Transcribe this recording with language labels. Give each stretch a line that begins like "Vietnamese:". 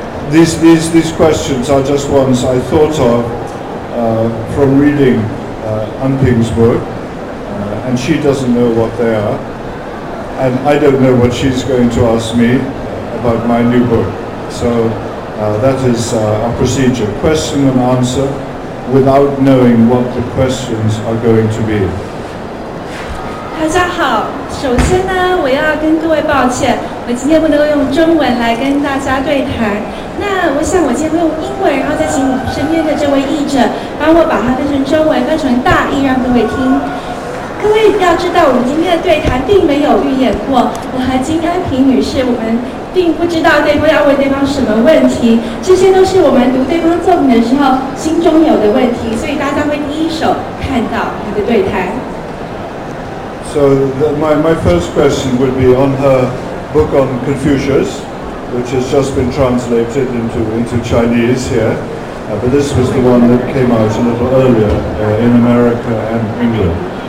English: These questions are just ones I thought of from reading Anping's book, and she doesn't know what they are, and I don't know what she's going to ask me about my new book. So that is our procedure: question and answer, without knowing what the questions are going to be.
Chinese: 大家好，首先呢，我要跟各位抱歉，我今天不能够用中文来跟大家对谈。那我想我今天会用英文，然后再请我身边的这位译者帮我把它翻成中文，翻成大意让各位听。各位要知道，我们今天的对谈并没有预演过，我和金安平女士，我们并不知道对方要问对方什么问题，这些都是我们读对方作品的时候心中有的问题，所以大家会第一手看到他的对谈。
English: So my first question would be on her book on Confucius, which has just been translated into Chinese here, but this was the one that came out a little earlier in America and England.